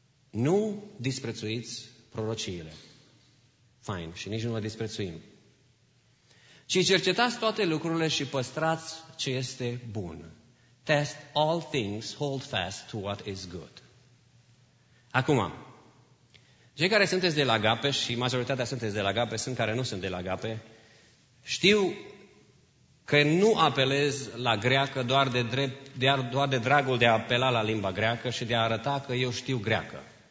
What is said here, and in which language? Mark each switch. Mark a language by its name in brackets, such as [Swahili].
[Romanian] Nu disprețuiți prorociile. Fine, și nici nu vă disprețuim. Ci cercetați toate lucrurile și păstrați ce este bun. [English] Test all things, hold fast to what is good. [Romanian] Acum, cei care sunteți de la Agape și majoritatea sunteți de la Agape, sunt care nu sunt de la Agape, știu că nu apelez la greacă doar de dragul de a apela la limba greacă și de a arăta că eu știu greacă.